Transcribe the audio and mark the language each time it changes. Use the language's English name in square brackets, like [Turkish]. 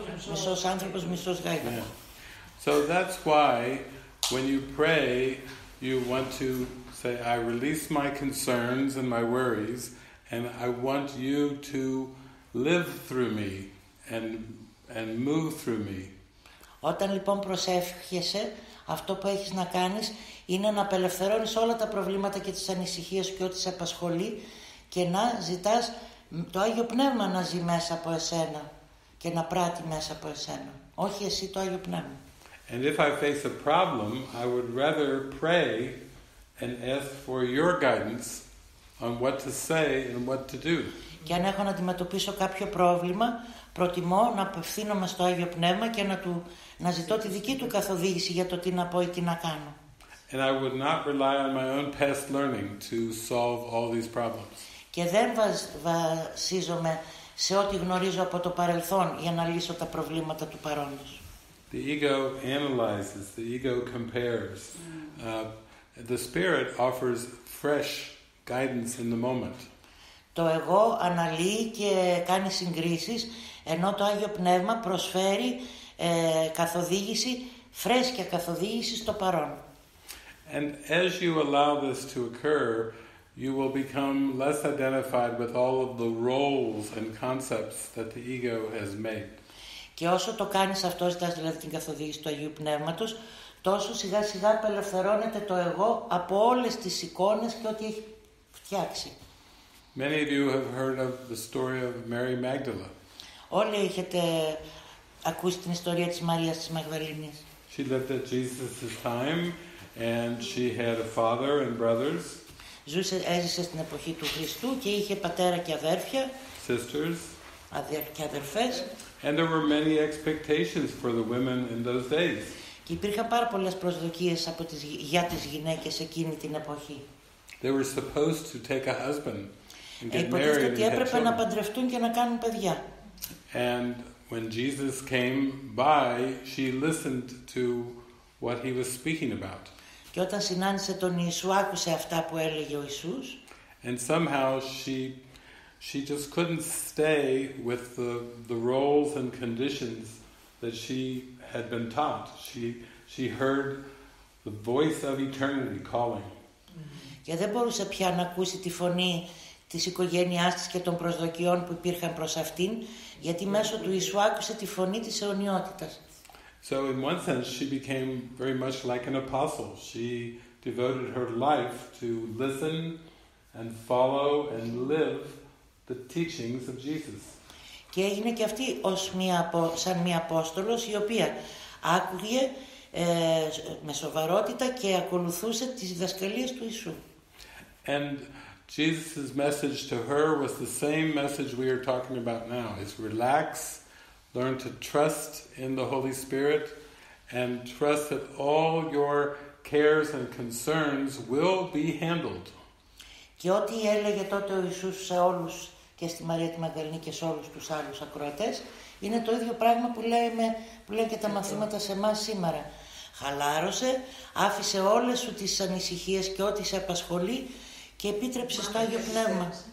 [Greek] Μισός άνθρωπος, μισός γαϊδούρια. [English] So that's why when you pray, you want to say, I release my concerns and my worries, and I want you to live through me and move through me. [Greek] Όταν λοιπόν προσεύχεσαι, αυτό που έχεις να κάνεις είναι να απελευθερώνεις όλα τα προβλήματα και τις ανησυχίες και ό,τι σε απασχολεί και να ζητάς το Άγιο Πνεύμα να ζει μέσα από εσένα και να πράττει μέσα από εσένα. Όχι εσύ, το Άγιο Πνεύμα. [English] And if I face a problem, I would rather pray and ask for your guidance on what to say and what to do. [Greek] Και αν έχω να αντιμετωπίσω κάποιο πρόβλημα, προτιμώ να απευθύνομαι στο Άγιο Πνεύμα και να ζητώ τη δική του καθοδήγηση για το τι να πω ή τι να κάνω. [English] And I would not rely on my own past learning to solve all these problems. [Greek] Και δεν βασίζομαι σε ό,τι γνωρίζω από το παρελθόν για να λύσω τα προβλήματα του παρόντος. [English] The ego analyzes, the ego compares. The spirit offers fresh guidance in the moment. [Greek] Το εγώ αναλύει και κάνει συγκρίσεις, ενώ το Άγιο Πνεύμα προσφέρει καθοδήγηση, φρέσκια καθοδήγηση στο παρόν. [English] And as you allow this to occur, you will become less identified with all of the roles and concepts that the ego has made. [Greek] Και όσο το κάνεις αυτό, ζητάς δηλαδή την καθοδήγηση του Αγίου Πνεύματος, τόσο σιγά σιγά απελευθερώνεται το εγώ από όλες τις εικόνες και ό,τι έχει φτιάξει. [English] Many of you have heard of the story of Mary Magdala. [Greek] Όλοι έχετε ακούσει την ιστορία της Μαρίας της Μαγδαληνής. [English] She lived at Jesus' time and she had a father and brothers. [Greek] Ζούσε, έζησε στην εποχή του Χριστού και είχε πατέρα και αδέρφια. [English] Sisters. [Greek] Και αδερφές. [English] And there were many expectations for the women in those days. [Greek] Και υπήρχαν πάρα πολλές προσδοκίες από τις για τις γυναίκες εκείνη την εποχή. [English] They were supposed to take a husband and get married. [Greek] Υποτίθεται ότι έπρεπε να παντρευτούν και να κάνουν παιδιά. [English] And when Jesus came by, she listened to what he was speaking about. [Greek] Και όταν συνάντησε τον Ιησού, άκουσε αυτά που έλεγε ο Ιησούς. [English] And somehow she just couldn't stay with the roles and conditions that she had been taught. She heard the voice of eternity calling. [Greek] Και δεν μπορούσε πια να ακούσει τη φωνή της οικογένειάς της και των προσδοκιών που υπήρχαν προς αυτήν, γιατί μέσω του Ιησού άκουσε τη φωνή της αιωνιότητας. [English] So in one sense she became very much like an apostle. She devoted her life to listen and follow and live the teachings of Jesus. [Greek] Και έγινε και αυτή ως σαν μία Απόστολος, η οποία άκουγε με σοβαρότητα και ακολουθούσε τις διδασκαλίες του Ιησού. [English] And Jesus' message to her was the same message we are talking about now. It's relax, learn to trust in the Holy Spirit, and trust that all your cares and concerns will be handled. [Greek] Και ό,τι έλεγε τότε ο Ιησούς σε όλους και στη Μαρία τη Μαγδαληνή και σε όλους τους άλλους ακροατές, είναι το ίδιο πράγμα που λέει και τα μαθήματα σε εμάς σήμερα. Χαλάρωσε, άφησε όλες σου τις ανησυχίες και ό,τι σε απασχολεί και επίτρεψε στο Άγιο Πνεύμα.